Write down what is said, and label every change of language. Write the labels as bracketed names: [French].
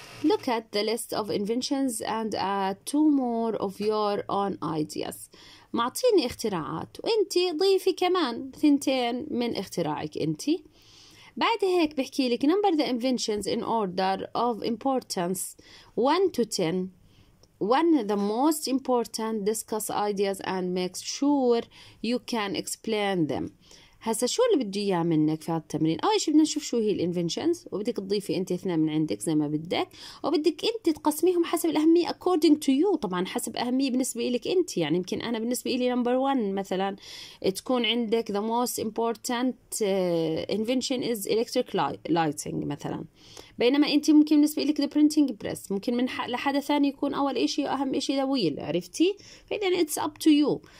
[English] Look at the list of inventions and two more of your own ideas. [Arabic] معطيني اختراعات وانتي ضيفي كمان ثنتين من اختراعك انتي. بعد هيك بحكي لك [English] number the inventions in order of importance 1 to 10. One of the most important discuss ideas and make sure you can explain them. [Arabic] هسا شو اللي بدي اياه منك في هالتمرين؟ اول شيء بدنا نشوف شو هي الانفنشنز وبدك تضيفي انت اثنين من عندك زي ما بدك وبدك انت تقسميهم حسب الاهميه [English] according to you [Arabic] طبعا حسب اهميه بالنسبه لك انت يعني يمكن انا بالنسبه لي نمبر 1 مثلا تكون عندك [English] the most important invention is electric lighting [Arabic] مثلا بينما انت ممكن بالنسبه لك [English] the printing press [Arabic] ممكن من لحدا ثاني يكون اول شيء واهم شيء [English] the wheel [Arabic] عرفتي؟ فاذا [English] it's up to you.